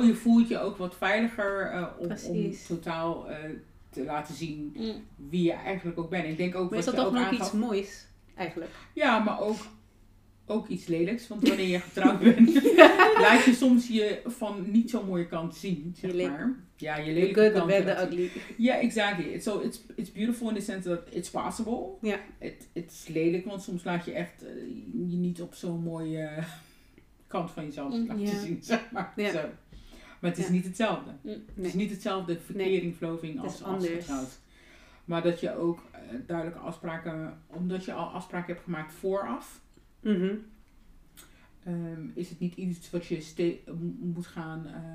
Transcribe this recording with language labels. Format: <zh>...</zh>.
<nl>Zo, je voelt je ook wat veiliger om totaal te laten zien wie je eigenlijk ook bent. Ik denk ook maar is wat dat toch ook nog iets moois, eigenlijk? Ja, maar ook iets lelijks. Want wanneer je getrouwd bent, laat je soms je van niet zo'n mooie kant zien, zeg maar. Ja, je lelijke</nl> <en>good,</en> <nl>kant.</nl> <en>The bad, the ugly.</en> <nl>Ja, exactly.</nl> <en>So it's beautiful in the sense that it's possible.</en> <nl>Ja.</nl> <en>It's</en> <nl>lelijk, want soms laat je echt je niet op zo'n mooie kant van jezelf laten zien, zeg maar. Ja.</nl> <en>So.</en> <nl>Maar het is niet hetzelfde. Het is niet hetzelfde verkering, verloving als getrouwd. Maar dat je ook duidelijke afspraken, omdat je al afspraken hebt gemaakt vooraf, is het niet iets wat je moet gaan...</nl>